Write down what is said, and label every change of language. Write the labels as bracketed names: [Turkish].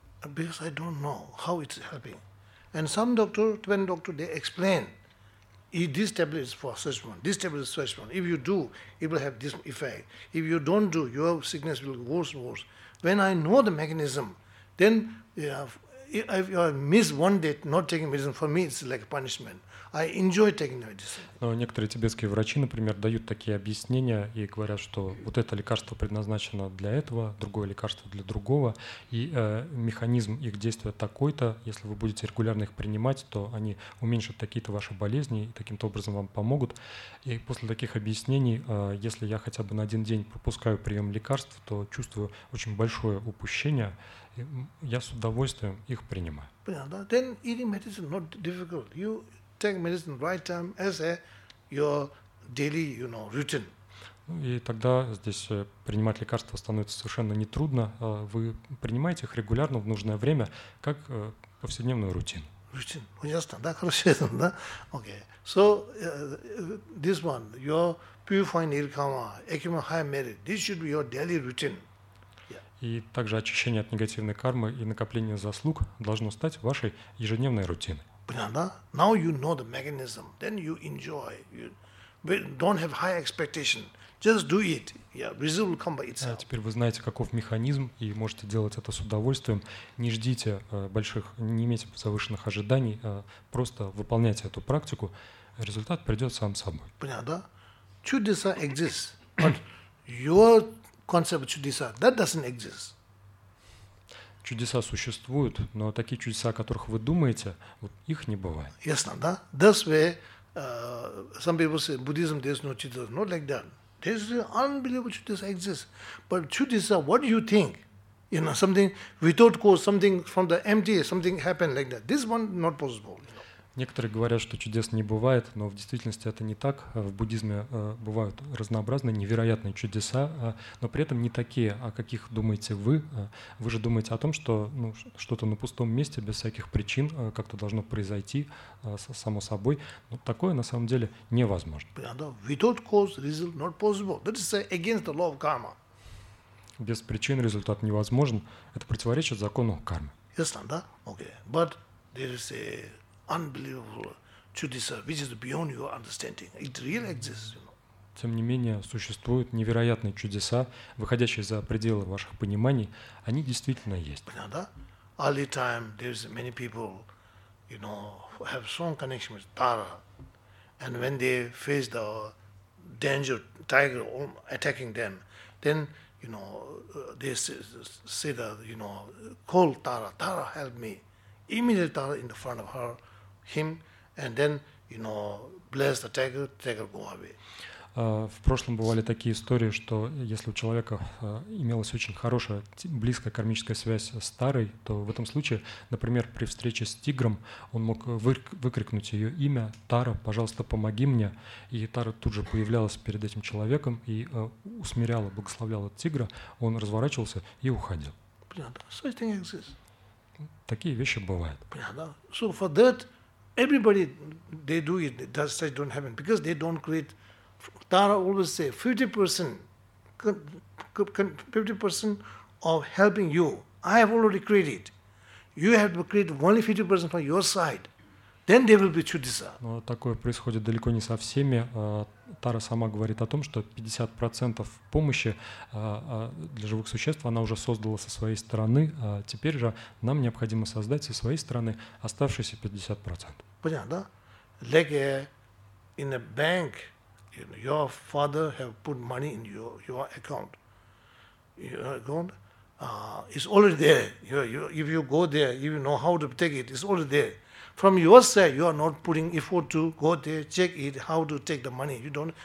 [English] Because I don't know how it's helping. And some doctors, when doctor, they explain, this tablet is for such one. This tablet is such one. If you do, it will have this effect. If you don't do, your sickness will worse. When I know the mechanism, then if I miss one day not taking medicine, for me it's like punishment. I enjoy taking medicine. [Russian] Но некоторые тибетские врачи, например, дают такие объяснения и говорят, что вот это лекарство предназначено для этого, другое лекарство для другого, и механизм их действия такой-то, если вы будете регулярно их принимать, то они уменьшат такие-то ваши болезни и таким-то образом вам помогут. И после таких объяснений, если я хотя бы на один день пропускаю прием лекарств, то чувствую очень большое упущение, и я с удовольствием их принимаю. Понятно, да? [English] Then eating medicine not difficult. You take medicine right time as a your daily, you know, routine. [Russian] И тогда здесь принимать лекарства становится совершенно нетрудно. Вы принимаете их регулярно в нужное время, как повседневную рутину. Routine. Ну, ясно, да? Хорошо, да? Okay. [English] So, this one, your purifying nirkama, accumulating high merit, this should be your daily routine. [Russian] И также очищение от негативной кармы и накопление заслуг должно стать вашей ежедневной рутиной. [English] Now you know the mechanism, then you enjoy. You don't have high expectation. Just do it. Yeah, result will come by itself. [Russian] Теперь вы знаете, каков механизм, и можете делать это с удовольствием. Не ждите больших, не имейте завышенных ожиданий, просто выполняйте эту практику. Результат придет сам собой. Понятно? [English] Чудеса exist, but your concept чудеса, that doesn't exist. [Russian] Чудеса существуют, но такие чудеса, о которых вы думаете, вот их не бывает. Ясно, да? [English] That's where some people say Buddhism there's no чудеса. Not like that. There's unbelievable чудеса exist. But чудеса, what do you think? You know, something without cause, something from the empty, something happened like that. This one not possible. [Russian] Некоторые говорят, что чудес не бывает, но в действительности это не так. В буддизме бывают разнообразные, невероятные чудеса, но при этом не такие, о каких думаете вы. Вы же думаете о том, что ну, что-то на пустом месте, без всяких причин, как-то должно произойти само собой. Но такое на самом деле невозможно. [English] Without cause, result not possible. That is against the law of karma. [Russian] Без причин результат невозможен. Это противоречит закону кармы. Ясно, да? Okay. [English] But there is a unbelievable чудеса, which is beyond your understanding. It really exists, you know. [Russian] Тем не менее, существуют невероятные чудеса, выходящие за пределы ваших пониманий. Они действительно есть. Понятно, да? [English] Early time, there's many people, you know, who have strong connection with Tara. And when they face the danger, tiger attacking them, then, you know, they say that, you know, call Tara, Tara help me. Immediately Tara in the front of her, him, and then, you know, bless the tiger, tiger go away. [Russian] В прошлом бывали такие истории, что если у человека имелась очень хорошая, близкая кармическая связь с Тарой, то в этом случае, например, при встрече с тигром, он мог выкрикнуть ее имя: «Тара, пожалуйста, помоги мне». И Тара тут же появлялась перед этим человеком и усмиряла, благословляла тигра, он разворачивался и уходил. Понятно? [English] Such thing exists. [Russian] Такие вещи бывают. Понятно? [English] So for that, everybody, they do it, that such don't happen, because they don't create, Tara always say, 50% of helping you, I have already created. You have to create only 50% from your side. Then there will be чудеса. [Russian] Но такое происходит далеко не со всеми. Тара сама говорит о том, что 50% помощи для живых существ она уже создала со своей стороны. Теперь же нам необходимо создать со своей стороны оставшиеся 50%. Понятно, да? [English] Like in a bank, you know, your father have put money in your account. Your account is already there. If you go there, if you know how to take it, it's already there. From your side, you are not putting effort to go there, check it, how to take the money. You don't.